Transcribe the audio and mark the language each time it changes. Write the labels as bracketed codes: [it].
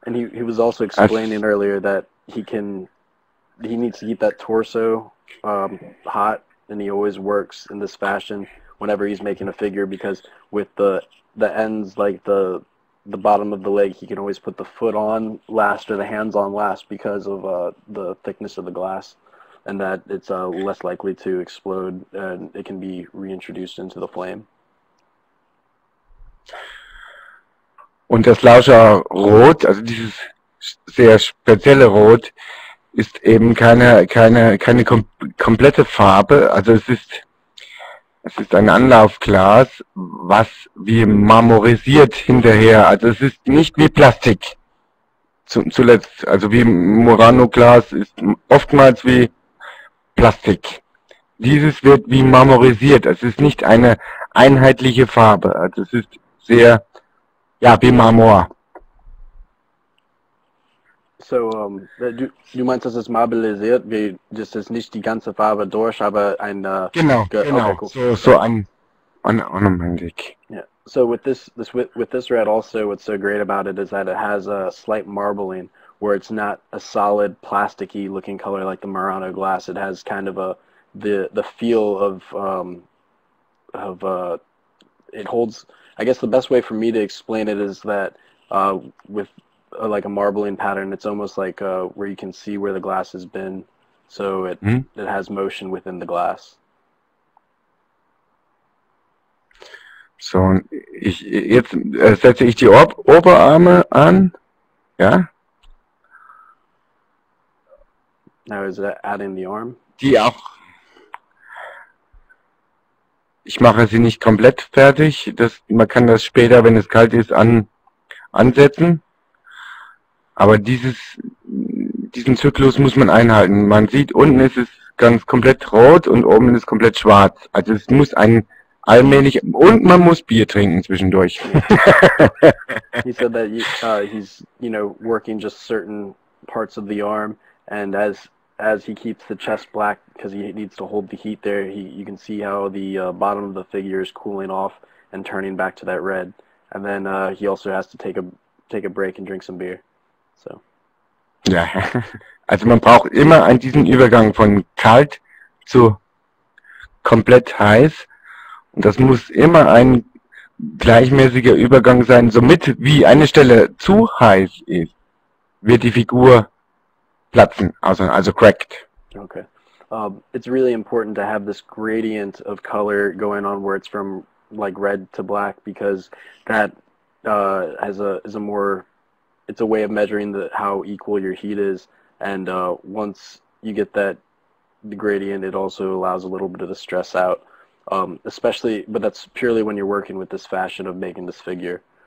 [en] And he was also explaining earlier that he needs to keep that torso hot, and he always works in this fashion whenever he's making a figure, because with the ends, like the bottom of the leg, he can always put the foot on last or the hands on last because of the thickness of the glass, and that it's less likely to explode and it can be reintroduced into the flame. [de] Und das Lauscher Rot, also dieses sehr spezielle Rot, ist eben keine komplette Farbe. Also es ist ein Anlaufglas, was wie marmorisiert hinterher. Also es ist nicht wie Plastik. Zuletzt, also wie Murano-Glas ist oftmals wie Plastik. Dieses wird wie marmorisiert. Es ist nicht eine einheitliche Farbe. Also es ist sehr, ja, wie Marmor. So, du meinst, dass es marmorisiert wird? Das ist nicht die ganze Farbe durch, aber ein... Genau. Okay, cool. So ein ornamentig. [en] Yeah. So with this red also, what's so great about it is that it has a slight marbling, where it's not a solid plasticky looking color like the Murano glass. It has kind of the feel of it holds. I guess the best way for me to explain it is that with like a marbling pattern, it's almost like where you can see where the glass has been, so it it has motion within the glass. [de] So, jetzt setze ich die Oberarme an, ja. [en] Now is that adding the arm? [de] Die auch. Ich mache sie nicht komplett fertig. Das, man kann das später, wenn es kalt ist, ansetzen. Aber diesen Zyklus muss man einhalten. Man sieht, unten ist es ganz komplett rot und oben ist es komplett schwarz. Also es muss ein allmählich, und man muss Bier trinken zwischendurch. [en] He said that he's, you know, working just certain parts of the arm, and as he keeps the chest black, because he needs to hold the heat there, you can see how the bottom of the figure is cooling off and turning back to that red. And then he also has to take a break and drink some beer. So. [de] Ja, also man braucht immer an diesen Übergang von kalt zu komplett heiß. Und das muss immer ein gleichmäßiger Übergang sein. Somit, wie eine Stelle zu heiß ist, wird die Figur platzen, also cracked. [en] Okay. It's really important to have this gradient of color going on where it's from like red to black, because that is a more... It's a way of measuring how equal your heat is, and once you get that the gradient, it also allows a little bit of the stress out, especially, but that's purely when you're working with this fashion of making this figure.